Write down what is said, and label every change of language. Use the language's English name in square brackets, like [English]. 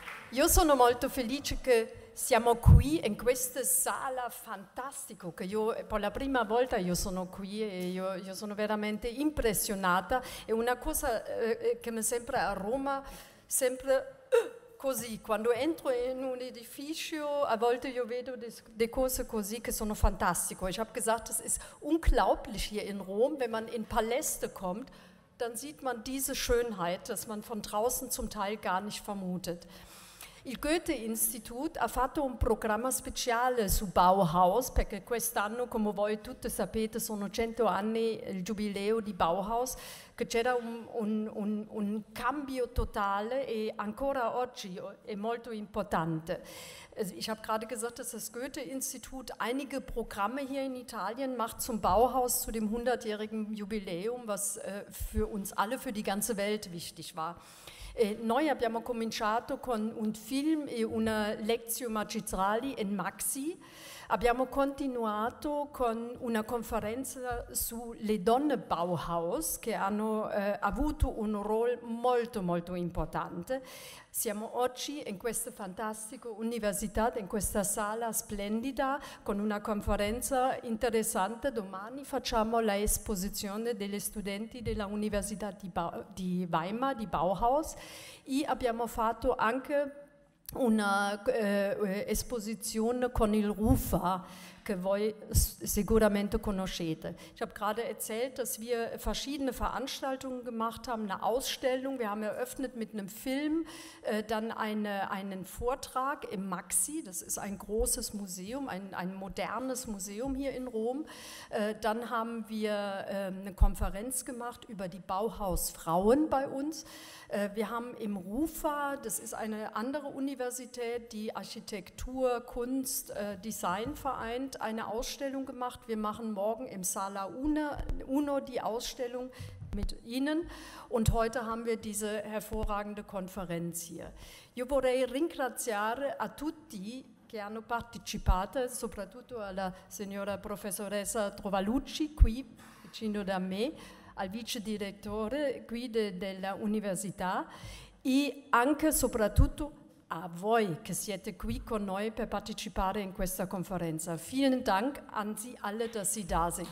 [Italian] Io sono molto felice che siamo qui in questa sala fantastica, che io per la prima volta io sono qui e io sono veramente impressionata. È una cosa che mi sembra a Roma sempre così, quando entro in un edificio a volte io vedo delle cose così che sono fantastiche. [German] Ich habe gesagt, es ist unglaublich hier in Rom, wenn man in Paläste kommt, dann sieht man diese Schönheit, dass man von draußen zum Teil gar nicht vermutet. [Italian] Il Goethe-Institut ha fatto un programma speciale su Bauhaus, perché quest'anno, come voi tutti sapete, sono 100 anni il giubileo di Bauhaus, che c'era un cambio totale e ancora oggi è molto importante. [German] Ich habe gerade gesagt, dass das Goethe-Institut einige Programme hier in Italien macht zum Bauhaus, zu dem 100-jährigen Jubiläum, was für uns alle, für die ganze Welt wichtig war. [Italian] Noi abbiamo cominciato con un film e una lezione magistrale in Maxi. Abbiamo continuato con una conferenza sulle donne Bauhaus, che hanno avuto un ruolo molto, molto importante. Siamo oggi in questa fantastica università, in questa sala splendida, con una conferenza interessante. Domani facciamo l'esposizione degli studenti dell'Università di Weimar, di Bauhaus. E abbiamo fatto anche una esposizione con il RUFA, che voi sicuramente conoscete. [German] Ich habe gerade erzählt, dass wir verschiedene Veranstaltungen gemacht haben, eine Ausstellung, wir haben eröffnet mit einem Film, dann einen Vortrag im Maxi, das ist ein großes Museum, ein modernes Museum hier in Rom. Dann haben wir eine Konferenz gemacht über die Bauhausfrauen bei uns. Wir haben im RUFA, das ist eine andere Universität, die Architektur, Kunst, Design vereint, eine Ausstellung gemacht. Wir machen morgen im Sala Uno die Ausstellung mit Ihnen und heute haben wir diese hervorragende Konferenz hier. [Italian] Io vorrei ringraziare a tutti che hanno partecipato, soprattutto alla signora professoressa Trovalucci qui vicino da me, al vice direttore qui dell'università e anche soprattutto a voi che siete qui con noi per partecipare in questa conferenza. [German] Vielen Dank an Sie alle, dass Sie da sind.